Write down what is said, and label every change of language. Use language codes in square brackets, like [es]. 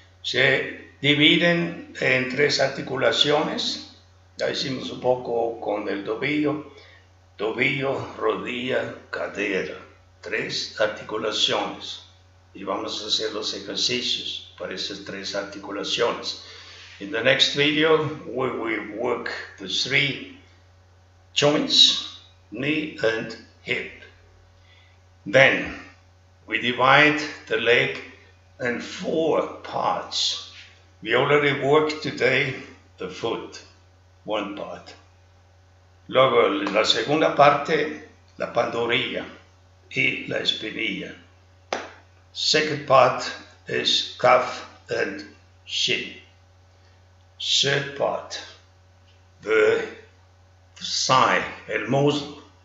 [es] Se dividen en tres articulaciones, ya hicimos un poco con el tobillo, rodilla, cadera, tres articulaciones y vamos a hacer los ejercicios para esas tres articulaciones. [en] In the next video, we will work the three joints, knee and hip. Then, we divide the leg in four parts. We already worked today the foot, one part. [es] Luego, la segunda parte, la pantorrilla y la espinilla. [en] Second part is calf and shin. Third part, the thigh, [es] el muslo.